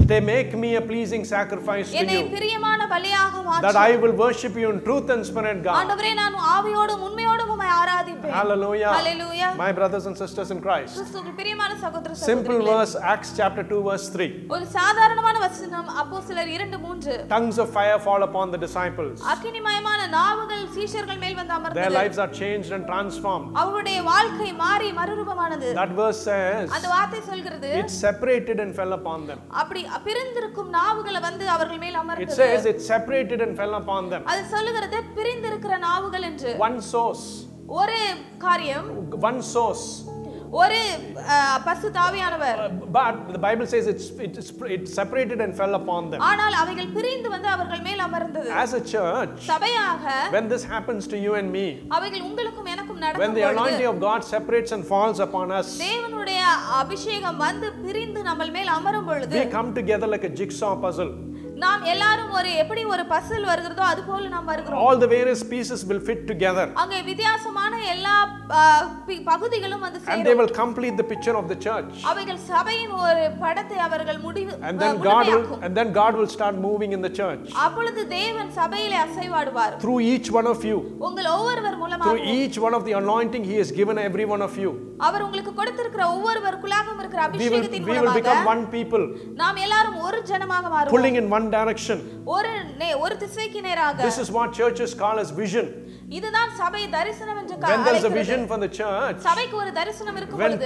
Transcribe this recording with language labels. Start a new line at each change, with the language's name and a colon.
English: they make me a pleasing sacrifice to you
Tamil: என்னை பிரியமான பலியாக மாற்று
English: that i will worship you in truth and spirit god
Tamil: ஆண்டவரே நான் ஆவியோடும் உண்மையோடும் உம்மை ஆராதிப்பேன்
English: hallelujah hallelujah my brothers and sisters in christ
Tamil: கிறிஸ்துவின் பிரியமான சகோதர சகோதரிகளே
English: simple verse acts chapter 2 verse 3
Tamil: ஒரு சாதாரணமான வசனம் அப்போஸ்தலர் 2:3
English: tongues of fire fall upon the disciples
Tamil: அக்கினிமயமான நாவுகள் சீஷர்கள் மேல் வந்து அமர்ந்தது
English: their lives are changed and transformed
Tamil: அவருடைய வாழ்க்கை மாறி மறுரூபமானது
English: that verse says
Tamil: அந்த வார்த்தை சொல்கிறது
English: it separated and fell upon them
Tamil: அப்படி பிரிந்திருக்கும் நாவுகளை வந்து அவர்கள் மேல் அமர்ந்தது
English: it says it separated and fell upon them
Tamil: அது சொல்கிறது பிரிந்திருக்கிற நாவுகள் என்று
English: one source
Tamil: ஒரு காரியம்
English: one source
Tamil: ஒரு பரிசுத்தாவியானவர்
English: but the bible says it separated and fell upon them
Tamil: ஆனால் அவைகள் பிரிந்து வந்து அவர்கள் மேல் அமர்ந்தது
English: as a church
Tamil: சபையாக
English: when this happens to you and me
Tamil: அவைகள் உங்களுக்கும் எனக்கும் நடக்கும்
English: when the anointing of god separates and falls upon us
Tamil: தேவனுடைய அபிஷேகம் வந்து பிரிந்து நம்மள் மேல் அமரும் பொழுது
English: we come together like a jigsaw puzzle
Tamil: நாம் எல்லாரும் ஒரு எப்படி ஒரு பசில் வருகிறதோ அது போல நாம் வருகிறோம்
English: all the various pieces will fit together
Tamil: அங்க வித்தியாசமான எல்லா பகுதிகளும் வந்து சேரும்
English: and they will complete the picture of the church
Tamil: அவைகள் சபையின் ஒரு படத்தை அவர்கள் முடிவு
English: and then god will and then god will start moving in the church
Tamil: அப்பொழுது தேவன் சபையிலே அசைவாடுவார்
English: through each one of you
Tamil: உங்கள் ஒவ்வொருவர் மூலமாக
English: through each one of the anointing he has given every one of you
Tamil: அவர் உங்களுக்கு கொடுத்திருக்கிற ஒவ்வொருவருக்கும் இருக்கிற அபிஷேகத்தின் மூலமாக
English: we will become one people
Tamil: நாம் எல்லாரும் ஒரு ஜனமாக மாறுவோம்
English: pulling in one direction
Tamil: ஒரு திசைக்கு நேராக
English: this is what churches call as vision
Tamil: இதுதான் சபை தரிசனம் என்று அழைக்கிறது
English: when there is a vision from the church
Tamil: சபைக்கு ஒரு தரிசனம் இருக்கும் பொழுது